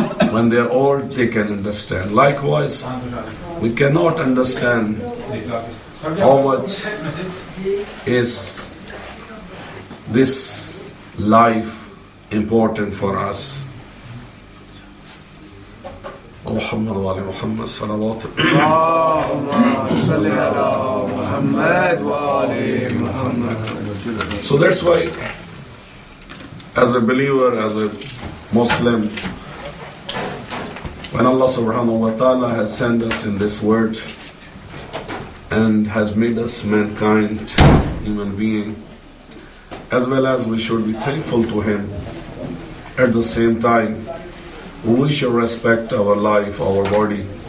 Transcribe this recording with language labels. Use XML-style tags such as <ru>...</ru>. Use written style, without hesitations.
<en>When they are old, they can understand. Likewise, we cannot understand how much is this life important for us.</en> <ar>محمد وعلى محمد الصلوات اللهم صل على محمد وعلى محمد.</ar> <en>So that's why as a believer, as a Muslim, when Allah subhanahu wa ta'ala has sent us in this world and has made us mankind, human being, as well as we should be thankful to Him, at the same time, we should respect our life, our body.</en>